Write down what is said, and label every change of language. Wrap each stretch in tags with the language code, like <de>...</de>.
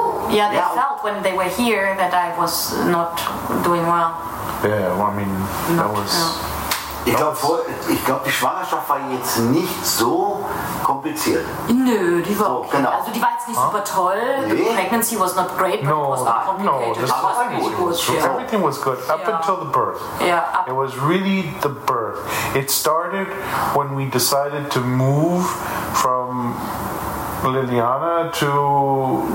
<en>Ja, they felt when they were here that I was not doing well. Yeah, well, I mean, that was.</en> <de>Ich glaube, die Schwangerschaft war jetzt nicht so kompliziert. Nö, die war okay. Genau. Also die war jetzt nicht super toll. Nee.</de> <en>The pregnancy was not great, but it was not complicated. No, this was good. Everything was good up until the birth. Yeah. It was really the birth. It started when we decided to move from Liliana to</en>